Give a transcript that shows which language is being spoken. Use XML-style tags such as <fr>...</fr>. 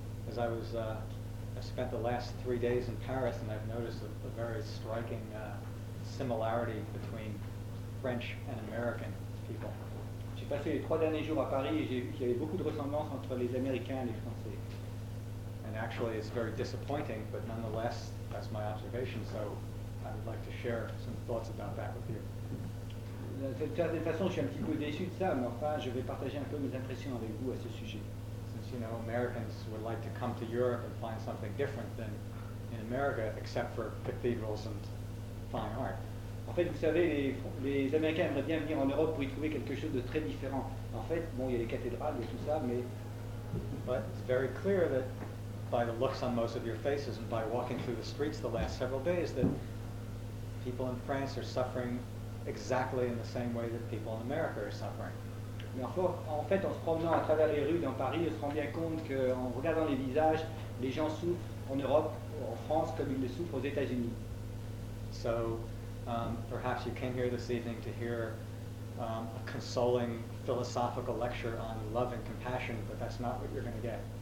<en>As I was, I spent the last 3 days in Paris, and I've noticed a very striking similarity between French and American people.</en> <fr>J'ai passé les 3 derniers jours à Paris, et il y avait beaucoup de ressemblances entre les Américains et les Français.</fr> <en>And actually, it's very disappointing, but nonetheless, that's my observation. So, I would like to share some thoughts about that with you.</en> <fr>De certaine façon, je suis un petit peu déçu de ça, mais enfin, je vais partager un peu mes impressions avec vous à ce sujet.</fr> <en>You know, Americans would like to come to Europe and find something different than in America, except for cathedrals and fine art.</en> <fr>En fait, vous savez, les Américains aimeraient bien venir en Europe pour y trouver quelque chose de très différent. En fait, bon, il y a les cathédrales et tout ça, mais...</fr> <en>But it's very clear that by the looks on most of your faces and by walking through the streets the last several days that people in France are suffering exactly in the same way that people in America are suffering.</en> <fr>Mais en fait, en se promenant à travers les rues dans Paris, on se rend bien compte qu'en regardant les visages, les gens souffrent en Europe, en France, comme ils le souffrent aux États-Unis.</fr> <en>So, perhaps you came here this evening to hear a consoling philosophical lecture on love and compassion, but that's not what you're going to get.</en>